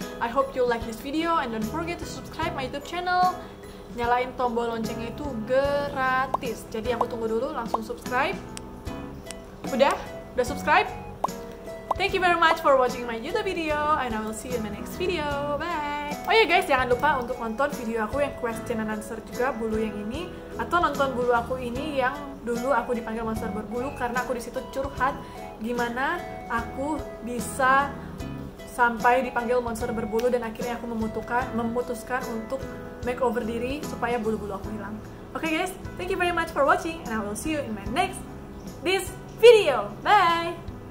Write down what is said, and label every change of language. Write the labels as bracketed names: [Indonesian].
[English] I hope you like this video and don't forget to subscribe my YouTube channel. [Indonesian] Nyalain tombol loncengnya itu gratis. Jadi aku tunggu dulu, langsung subscribe. Udah subscribe? [English] Thank you very much for watching my YouTube video, and I will see you in my next video. Bye! [Indonesian] Oh ya guys, jangan lupa untuk nonton video aku yang question and answer juga, bulu yang ini. Atau nonton bulu aku ini yang dulu aku dipanggil monster berbulu, karena aku disitu curhat gimana aku bisa sampai dipanggil monster berbulu, dan akhirnya aku memutuskan untuk makeover diri supaya bulu-bulu aku hilang. [English] Okay guys, thank you very much for watching, and I will see you in my next this video. Bye!